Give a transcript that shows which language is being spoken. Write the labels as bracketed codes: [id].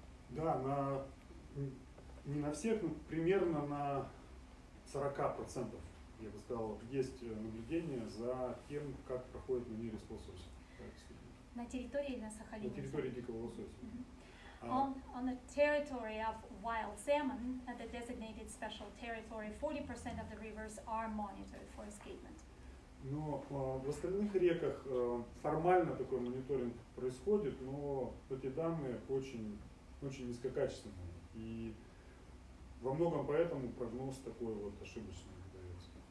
[ru] Да, не на всех, но примерно на 40%, я бы сказал, есть наблюдение за тем, как проходит на нерест лосось. На территории на Сахалине? На территории дикого лосося. [en] On the territory of wild salmon, at the designated special territory, 40% of the rivers are monitored for escapement. [ru] Но в остальных реках формально такой мониторинг происходит, но эти данные очень низкокачественные. И во многом поэтому прогноз такой вот ошибочный дается.